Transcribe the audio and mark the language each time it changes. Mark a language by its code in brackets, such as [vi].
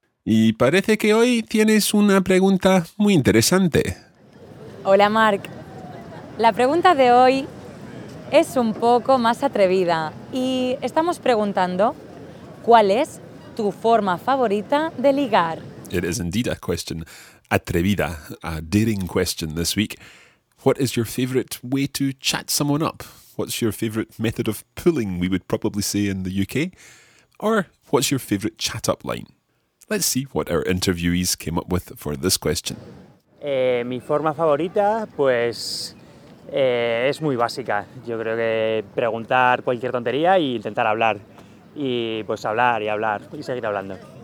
[es] Y parece que hoy tienes una pregunta muy interesante. Hola, Marc. La pregunta de hoy es un poco más atrevida y estamos preguntando ¿cuál es tu forma favorita de ligar? [en] It is indeed a question. Atrevida, a daring question this week. What is your favorite way to chat someone up? What's your favorite method of pulling, we would probably say in the UK? Or what's your favorite chat up line? Let's see what our interviewees came up with for this question. [es] Mi forma favorita, pues, es muy básica. Yo creo que preguntar cualquier tontería e intentar hablar. Y pues hablar y hablar y seguir hablando.